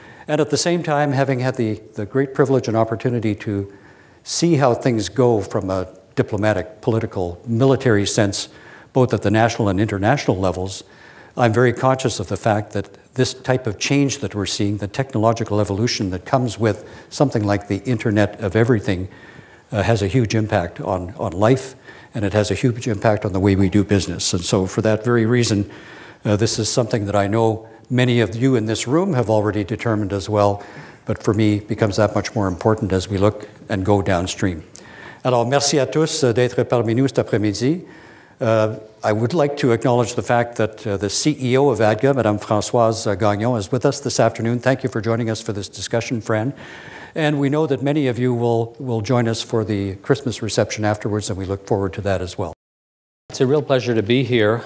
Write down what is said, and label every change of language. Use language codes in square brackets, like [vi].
[en] And at the same time, having had the great privilege and opportunity to see how things go from a diplomatic, political, military sense, both at the national and international levels, I'm very conscious of the fact that this type of change that we're seeing, the technological evolution that comes with something like the Internet of Everything, has a huge impact on life, and it has a huge impact on the way we do business. And so for that very reason, this is something that I know many of you in this room have already determined as well, but for me, becomes that much more important as we look and go downstream. [fr] Alors, merci à tous d'être parmi nous cet après-midi. [en] I would like to acknowledge the fact that the CEO of ADGA, Madame Françoise Gagnon, is with us this afternoon. Thank you for joining us for this discussion, Fran. And we know that many of you will join us for the Christmas reception afterwards, and we look forward to that as well. It's a real pleasure to be here.